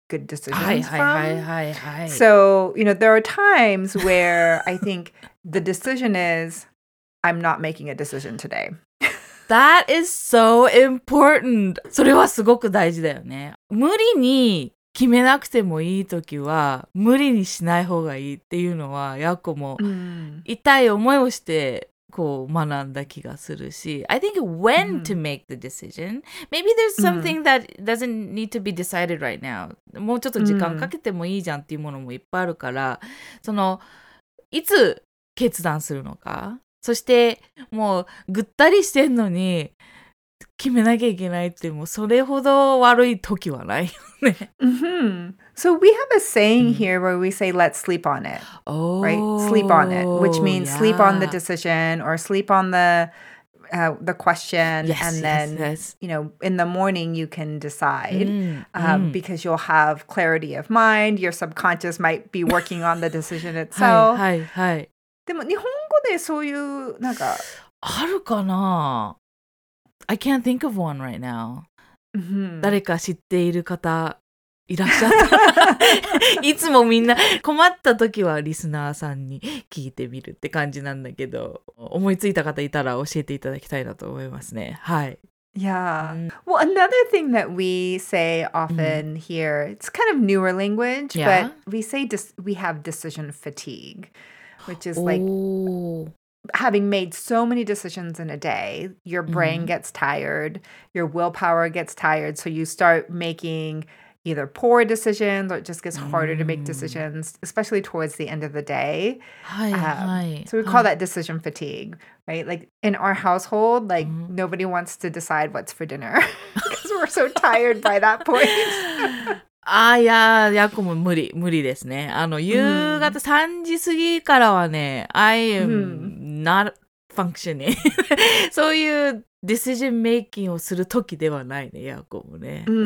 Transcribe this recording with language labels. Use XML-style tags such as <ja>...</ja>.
<en>Good decisions from. So, you know, there are times where I think the decision is, I'm not making a decision today. That is so important.</en> <ja>それはすごく大事だよね。無理に決めなくてもいいときは、無理にしない方がいいっていうのは、ヤコも痛い思いをしてこう学んだ気がするし、 I think when to make the decision, maybe there's something that doesn't need to be decided right now. もうちょっと時間かけてもいいじゃんっていうものもいっぱいあるから、そのいつ決断するのか、そしてもうぐったりしてんのに決めなきゃいけないって、もうそれほど悪い時はないよね。</ja> <en>So we have a saying here where we say, let's sleep on it, right? Sleep on it, which means sleep on the decision or sleep on the question. Yes, and then, yes. You know, in the morning you can decide because you'll have clarity of mind. Your subconscious might be working on the decision itself.</en> <ja>はいはいはい。でも日本語でそういうなんか… あるかな?</ja> <en>I can't think of one right now.</en> <ja>誰か知っている方…いらっしゃった。いつもみんな困った時はリスナーさんに聞いてみるって感じなんだけど、思いついた方いたら教えていただきたいなと思いますね。はい。</ja> <en>Yeah. Well, another thing that we say often here, it's kind of newer language, but we say we have decision fatigue, which is like having made so many decisions in a day, your brain gets tired, your willpower gets tired, so you start makingeither poor decisions or it just gets harder to make decisions, especially towards the end of the day. So we call that decision fatigue, right? Like in our household, like nobody wants to decide what's for dinner because we're so tired by that point.</en> <ja>ああ、いや、ヤコも無理、無理ですね。あの、夕方3時過ぎからはね、</ja> <en>I am not functioning.</en> <ja>そういうディシジョンメイキングをする時ではないね、ヤコもね。</ja>